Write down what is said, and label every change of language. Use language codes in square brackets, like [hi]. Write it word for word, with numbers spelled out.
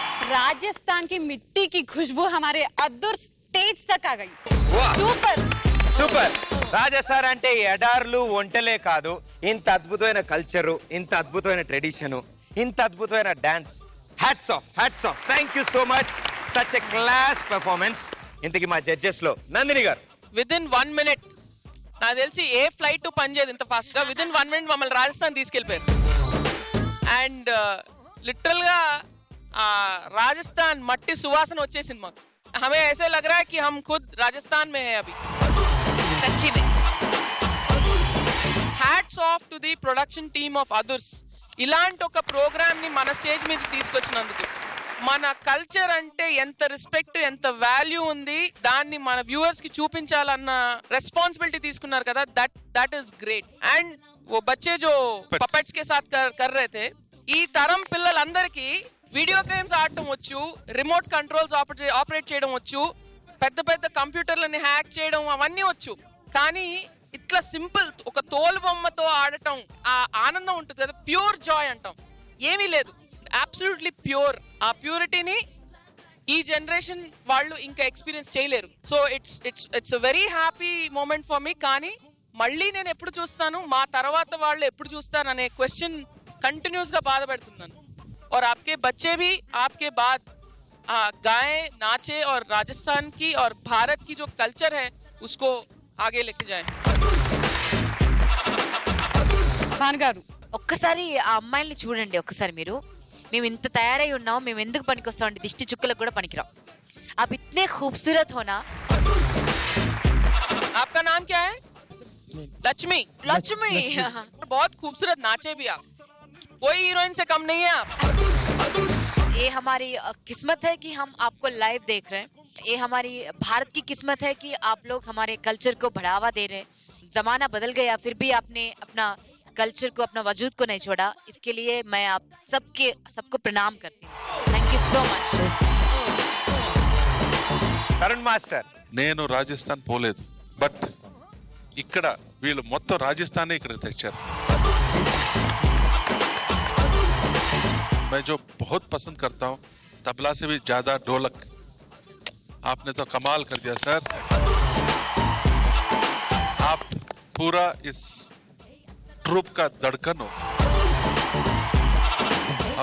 [hi] राजस्थान की मिट्टी की खुशबू हमारे अदूर स्टेज तक आ गई। वाह! [en] super [te] సూపర్ రాజస్థాన్ అంటే ఎడార్లు ఒంటలే కాదు, ఇంత అద్భుతమైన కల్చరు, ఇంత అద్భుతమైన ట్రెడిషను, ఇంత అద్భుతమైన dance. [en] Hats off, hats off. Thank you so much, such a class performance. [te] ఇంతకీ మా జడ్జెస్ లో నందిని గారు, [en] within one minute [te] నాకు తెలిసి ఏ ఫ్లైట్ పనిచేయదు ఇంత ఫాస్ట్ గా. విదిన్ వన్ మినిట్ మమ్మల్ని రాజస్థాన్ తీసుకెళ్ళిపోయారు. అండ్ लिटरल गा आ, राजस्थान मट्टी सुवासन వచ్చేసింది మాకు. [hi] हमें ऐसे लग रहा है कि हम खुद राजस्थान में है अभी सच्ची में. [en] Hats off to the production team of అదుర్స్. [te] ఇలాంటి ఒక ప్రోగ్రామ్ని మన స్టేజ్ మీద తీసుకొచ్చినందుకు మన కల్చర్ అంటే ఎంత రెస్పెక్ట్ ఎంత వాల్యూ ఉంది దాన్ని మన వ్యూవర్స్కి చూపించాలన్న రెస్పాన్సిబిలిటీ తీసుకున్నారు కదా. [en] That that is great. [te] And [hi] ఓ బచ్చే జో పపెట్స్ కే సాత్ కర్ కర్ రహే తే [te] ఈ తరం పిల్లలందరికీ వీడియో గేమ్స్ ఆడటం వచ్చు, రిమోట్ కంట్రోల్స్ ఆపరేట్ చేయడం వచ్చు, పెద్ద పెద్ద కంప్యూటర్లని హ్యాక్ చేయడం అవన్నీ వచ్చు. కానీ ఇట్లా సింపుల్ ఒక తోలు బొమ్మతో ఆడటం ఆ ఆనందం ఉంటుంది కదా, ప్యూర్ జాయ్ అంటాం. ఏమీ లేదు, [en] Absolutely pure. [te] ఆ ప్యూరిటీని ఈ జనరేషన్ వాళ్ళు ఇంకా ఎక్స్పీరియన్స్ చేయలేరు. [en] So it's it's it's a very happy moment for me. [te] కానీ మళ్ళీ నేను ఎప్పుడు చూస్తాను, మా తర్వాత వాళ్ళు ఎప్పుడు చూస్తాను అనే క్వశ్చన్ కంటిన్యూస్గా బాధపడుతున్నాను. [hi] और आपके बच्चे भी आपके बाद गाएं, नाचे और राजस्थान की और भारत की जो कल्चर है उसको आगे लेके जाएं. [te] భానుగారు ఒక్కసారి ఆ అమ్మాయిల్ని చూడండి ఒక్కసారి మీరు. మేము ఇంత తయారై ఉన్నాం, మేము ఎందుకు పనికొస్తామండి? దిష్టి చుక్కలకు కూడా పనికిరాం. [hi] आप इतने खूबसूरत हो ना. आपका नाम क्या है? लक्ष्मी. लक्ष्मी बहुत खूबसूरत नाचे भी आप. कोई हीरोइन से कम नहीं है आप. ये हमारी किस्मत है कि हम आपको लाइव देख रहे हैं. ये हमारी भारत की किस्मत है कि आप लोग हमारे कल्चर को बढ़ावा दे रहे हैं. जमाना बदल गया फिर भी आपने अपना कल्चर को, अपना वजूद को नहीं छोड़ा. इसके लिए मैं आप सबके सबको प्रणाम करती हूँ. [en] Thank you so much. [te] Tarun master నేను రాజస్థాన్ పోలేదు, బట్ ఇక్కడ వీళ్ళు మొత్తం రాజస్థానే ఇక్కడికి తెచ్చారు. [hi] मैं जो बहुत पसंद करता हूँ तबला से भी ज्यादा ढोलक. आपने तो कमाल कर दिया सर. आप पूरा इस ट्रूप का धड़कन हो.